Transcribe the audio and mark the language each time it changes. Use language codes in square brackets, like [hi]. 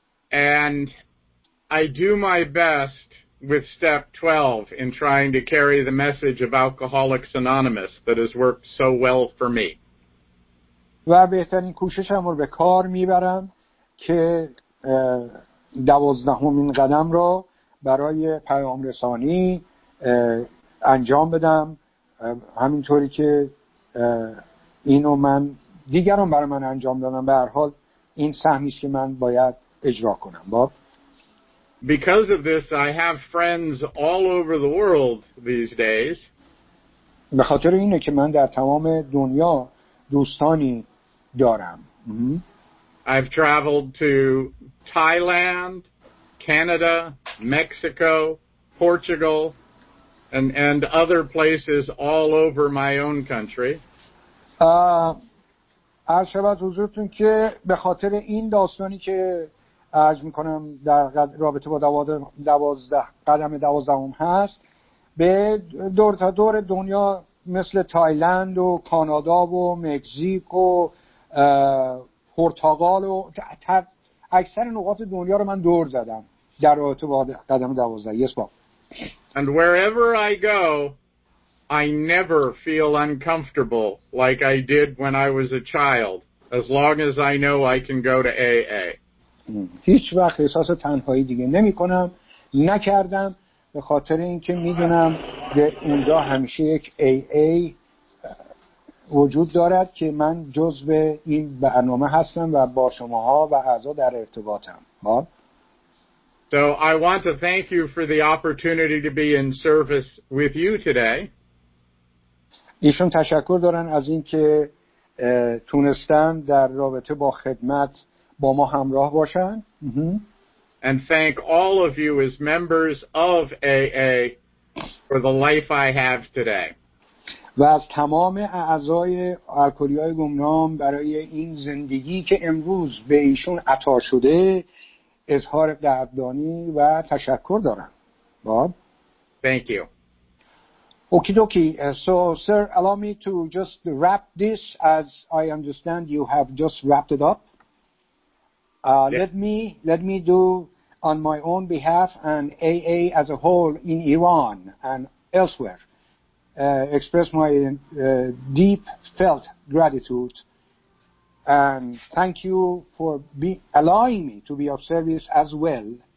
[en] And I do my best with step 12 in trying to carry the message of Alcoholics Anonymous that has worked so well for me. [fa] و بهترین کوششم رو به کار می‌برم که 12th قدم رو برای پیام رسانی انجام بدم همینطوری که اینو من دیگران برای من انجام دادن. به هر حال این سهمیست که من باید اجرا کنم. باب. [en] Because of this I have friends all over the world these days. [fa] به خاطر اینه که من در تمام دنیا دوستانی دارم. [en] I've traveled to Thailand, Canada, Mexico, Portugal, and other places all over my own country. [fa] عرض شود حضورتون که به خاطر این داستانی که عرض میکنم در رابطه با قدم دوازدهم هست به دور تا دور دنیا مثل تایلند و کانادا و مکزیک و پرتغال و اکثر نقاط دنیا رو من دور زدم در رابطه با قدم دوازده. [en] Yes, Bob. And wherever I go, I never feel uncomfortable like I did when I was a child, as long as I know I can go to AA. [fa] هیچ وقت احساس تنهایی دیگه نمی کنم. نکردم به خاطر اینکه می دونم که اونجا همیشه یک AA وجود دارد که من جزء این برنامه هستم و با شماها و اعضا در ارتباطم. [en] Bob. So I want to thank you for the opportunity to be in service with you today. [fa] ایشون تشکر دارن از اینکه تونستن در رابطه با خدمت با ما همراه باشن. [en] And thank all of you as members of AA for the life I have today. [fa] و از تمام اعضای الکلی‌های گمنام برای این زندگی که امروز به ایشون عطا شده اظهار قدردانی و تشکر دارم. باب. [en] Thank you. Okie dokie. So, sir, allow me to just wrap this, as I understand you have just wrapped it up. Yes. Let me do on my own behalf and AA as a whole in Iran and elsewhere, express my deep felt gratitude and thank you for allowing me to be of service as well.